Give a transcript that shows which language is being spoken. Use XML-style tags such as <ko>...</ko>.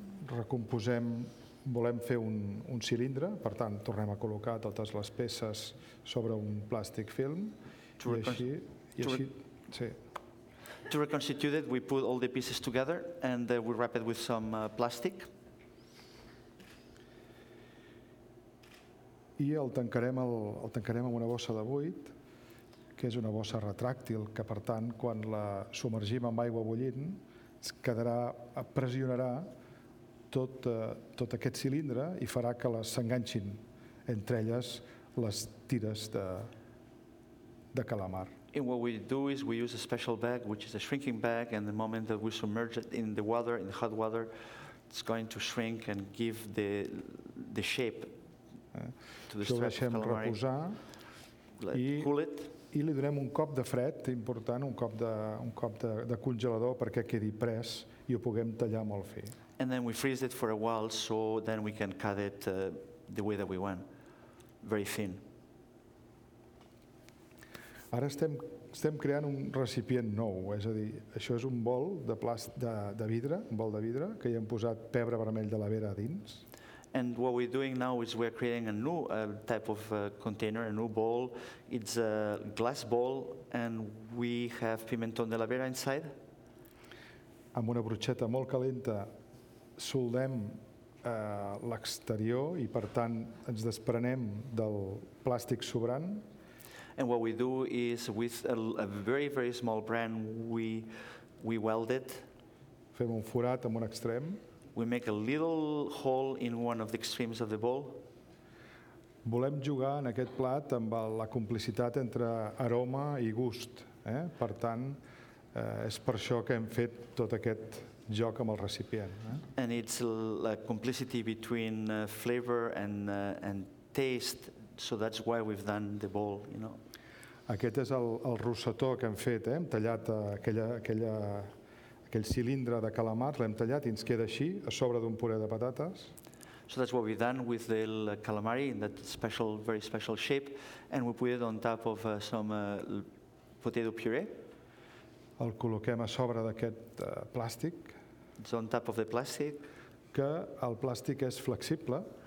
<ca>Recomposem, volem fer un cilindre, per tant, tornem a col·locar totes les peces sobre un plàstic film I així.</ca> <en>To reconstitute it, we put all the pieces together and we wrap it with some plastic.</en> <ca>I el tancarem amb una bossa de buit, que és una bossa retràctil, que per tant, quan la submergim amb aigua bullint, es quedarà, pressionarà tot aquest cilindre I farà que s'enganxin entre elles les tires de calamar.</ca> <en>And what we do is we use a special bag, which is a shrinking bag, and the moment that we submerge it in the water, in the hot water, it's going to shrink and give the shape to the strip of calamari.</en> <ca>Això ho deixem</ca> <en>calamari.</en> <ca>Reposar</ca> <en>I, cool it.</en> <ca>I li donem un cop de fred, important, un cop de congelador perquè quedi pres I ho puguem tallar molt fi.</ca> <en>And then we freeze it for a while so then we can cut it the way that we want, very thin.</en> <ca>Ara estem creant un recipient nou, és a dir, això és un bol de plàstic de vidre, un bol de vidre que hi hem posat pebre vermell de la Vera a dins.</ca> <en>And what we're doing now is we're creating a new type of container, a new bowl. It's a glass bowl and we have pimenton de la Vera inside.</en> <ca>Amb una bruixeta molt calenta soldem l'exterior I per tant ens desprenem del plàstic sobrant.</ca> <en>And what we do is with a very, very small brand, we weld it.</en> <ca>Fem un forat amb un extrem.</ca> <en>We make a little hole in one of the extremes of the bowl.</en> <ca>Volem jugar en aquest plat amb la complicitat entre aroma I gust. Per tant, és per això que hem fet tot aquest joc amb el recipient.</ca> <en>And it's a complicity between flavor and taste. So that's why we've done the bowl, you know.</en> <ca>Aquest és el rosetó que hem fet, hem tallat aquell cilindre de calamar, l'hem tallat I ens queda així, a sobre d'un puré de patates.</ca> <en>So that's what we've done with the calamari in that special, very special shape, and we put it on top of some potato puree.</en> <ca>El col·loquem a sobre d'aquest plàstic.</ca> <en>It's on top of the plastic.</en> <ca>Que el plàstic és flexible.</ca>